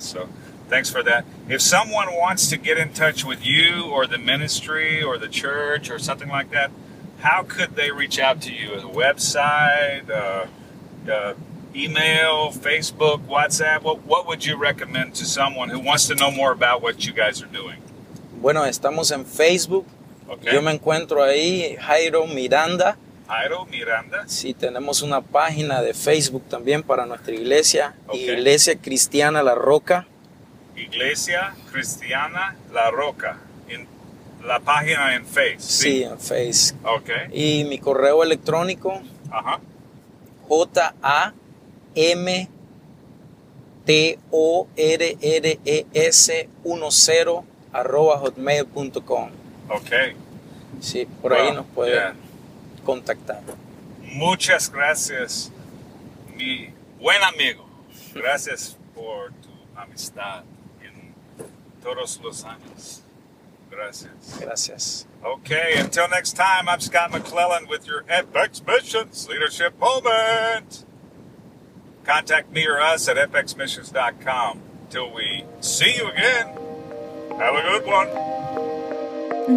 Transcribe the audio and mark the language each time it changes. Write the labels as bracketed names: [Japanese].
[English] So thanks for that. If someone wants to get in touch with you or the ministry or the church or something like that, how could they reach out to you? A website, email, Facebook, WhatsApp? What would you recommend to someone who wants to know more about what you guys are doing? [Spanish] Bueno, estamos en Facebook. Okay. Yo me encuentro ahí, Jairo Miranda. Jairo Miranda. Sí, tenemos una página de Facebook también para nuestra iglesia, okay. Iglesia Cristiana La Roca. Iglesia Cristiana La Roca, en la página en Face. Sí, en Face. Ok. Y mi correo electrónico, jamtorres10@hotmail.com. Ok. Sí, por ahí nos puede contactar. Muchas gracias, mi buen amigo. Gracias por tu amistad en todos los años. Gracias. Gracias. [English] Okay, until next time, I'm Scott McClellan with your FX Missions Leadership Moment. Contact me or us at fxmissions.com. Till we see you again, have a good one.